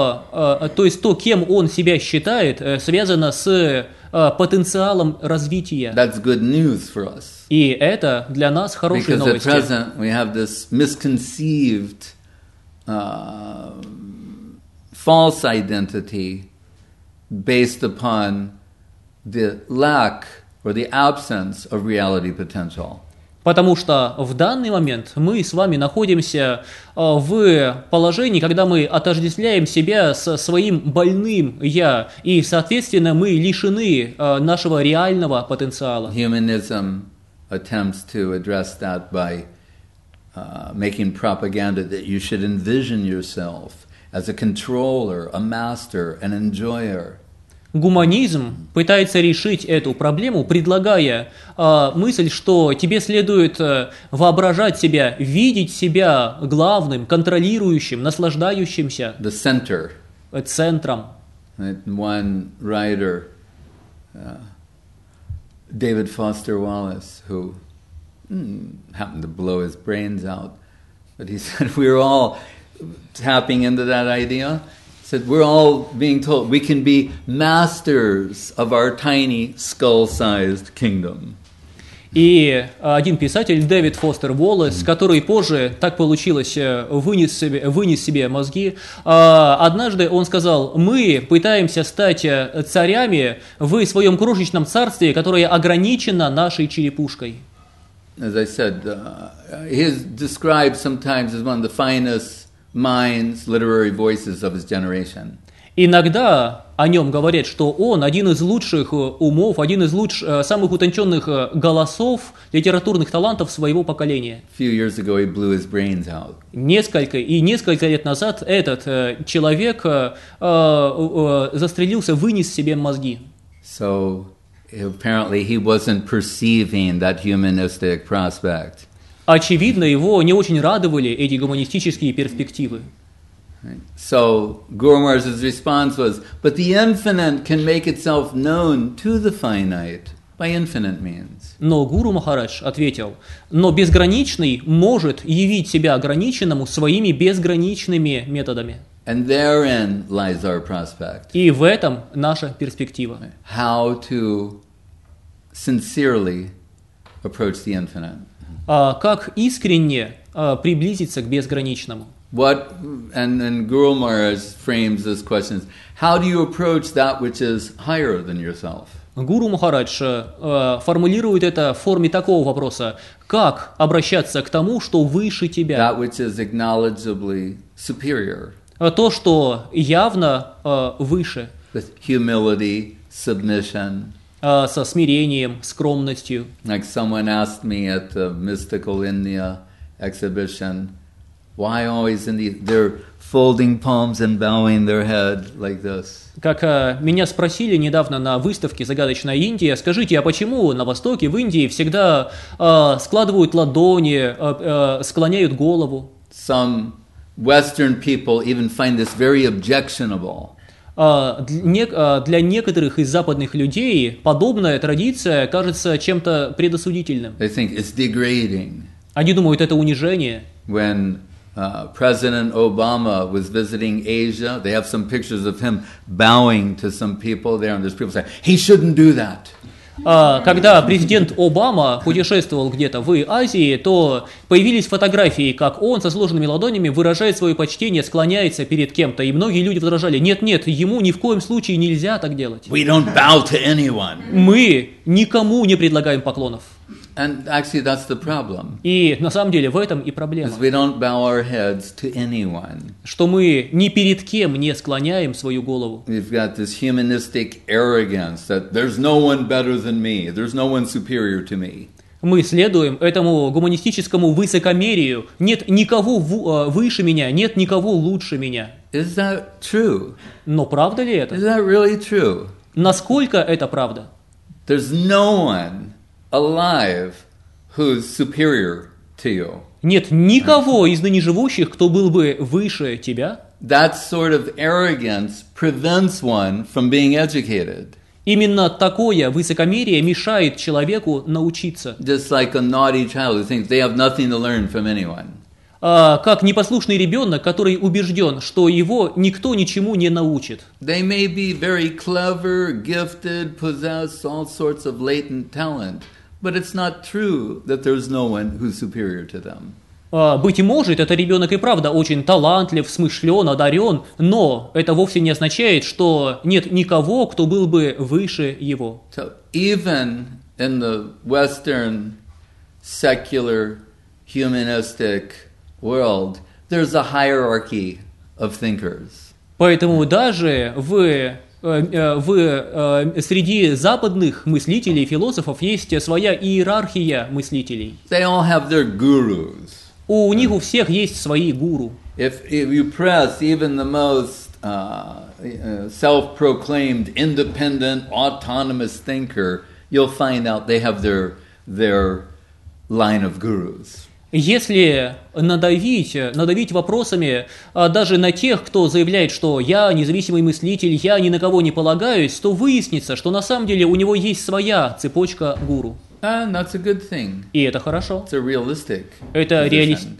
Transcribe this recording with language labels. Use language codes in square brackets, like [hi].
[ru] То есть то, кем он себя считает, связано с потенциалом развития. [en] That's good news for us. [ru] И это для нас хорошие [en] Because [ru] новости. [en] At present we have this misconceived, false identity based upon the lack or the absence of reality potential. [ru] Потому что в данный момент мы с вами находимся в положении, когда мы отождествляем себя со своим больным «я», и, соответственно, мы лишены нашего реального потенциала. [en] Humanism attempts to address that by making propaganda that you should envision yourself as a controller, a master, an enjoyer. [ru] Гуманизм пытается решить эту проблему, предлагая мысль, что тебе следует воображать себя, видеть себя главным, контролирующим, наслаждающимся. [en] The center. [ru] Центром. [en] One writer, David Foster Wallace, who happened to blow his brains out, but he said we're all tapping into that idea. Said we're all being told we can be masters of our tiny skull-sized kingdom. [ru] И один писатель Дэвид Фостер Уоллес, который позже так получилось вынес себе мозги, однажды он сказал: мы пытаемся стать царями в своем крошечном царстве, которое ограничено нашей черепушкой. [en] As I said, he's described sometimes as one of the finest minds, literary voices of his generation. [ru] Иногда о нем говорят, что он один из лучших умов, один из самых утонченных голосов, литературных талантов своего поколения. [en] Few years ago he blew his brains out. [ru] Несколько лет назад этот человек застрелился, вынес себе мозги. [en] So apparently he wasn't perceiving that humanistic prospect. [ru] Очевидно, его не очень радовали эти гуманистические перспективы. [en] So, Guru Maharaj's response was, but the infinite can make itself known to the finite by infinite means. [ru] Но Гуру Махарадж ответил, но безграничный может явить себя ограниченному своими безграничными методами. [en] And therein lies our prospect. [ru] И в этом наша перспектива. [en] How to sincerely approach the infinite. [ru] Как искренне приблизиться к безграничному? [en] What and Guru Maharaj frames this question: How do you approach that which is higher than yourself? [ru] Гуру Махарадж формулирует это в форме такого вопроса: Как обращаться к тому, что выше тебя? [en] That which is acknowledgeably superior. [ru] То, что явно выше. [en] with humility, submission. [ru] Со смирением, скромностью. [en] Like someone asked me at the Mystical India exhibition, why always in the they're folding palms and bowing their head like this? [ru] Как меня спросили недавно на выставке «Загадочная Индия», скажите, а почему на Востоке, в Индии, всегда складывают ладони, склоняют голову? [en] Some Western people even find this very objectionable. [ru] Для некоторых из западных людей подобная традиция кажется чем-то предосудительным. [en] They think it's degrading. [ru] Они думают, это унижение. [en] When President Obama was visiting Asia, they have some pictures of him bowing to some people there, and there's people saying he shouldn't do that. [ru] Когда президент Обама путешествовал где-то в Азии, то появились фотографии, как он со сложенными ладонями выражает свое почтение, склоняется перед кем-то, и многие люди возражали: нет-нет, ему ни в коем случае нельзя так делать. [en] We don't bow to anyone. [ru] Мы никому не предлагаем поклонов. [en] And actually, that's the problem. [ru] И на самом деле в этом и проблема. [en] Because we don't bow our heads to anyone. [ru] Что мы ни перед кем не склоняем свою голову. [en] We've got this humanistic arrogance that there's no one better than me, there's no one superior to me. [ru] Мы следуем этому гуманистическому высокомерию. Нет никого выше меня, нет никого лучше меня. [en] Is that true? [ru] Но правда ли это? [en] Is that really true? [ru] Насколько это правда? [en] There's no one alive, who's superior to you? [ru] Нет никого из ныне живущих, кто был бы выше тебя. [en] That sort of arrogance prevents one from being educated. [ru] Именно такое высокомерие мешает человеку научиться. [en] Just like a naughty child who thinks they have nothing to learn from anyone. [ru] Как непослушный ребенок, который убежден, что его никто ничему не научит. [en] They may be very clever, gifted, possess all sorts of latent talent, but it's not true that there's no one who's superior to them. [ru] Быть может, этот ребенок и правда очень талантлив, смышлен, одарен, но это вовсе не означает, что нет никого, кто был бы выше его. [en] So, even in the Western secular humanistic world, there's a hierarchy of thinkers. [ru] Поэтому даже среди западных мыслителей, философов есть своя иерархия мыслителей. [en] They all have their gurus. [ru] У них у всех есть свои гуру. [en] If you press even the most self-proclaimed independent autonomous thinker, you'll find out they have their line of gurus. [ru] Если надавить вопросами даже на тех, кто заявляет, что я независимый мыслитель, я ни на кого не полагаюсь, то выяснится, что на самом деле у него есть своя цепочка гуру. [en] And that's a good thing. [ru] И это хорошо. [en] It's a realistic position.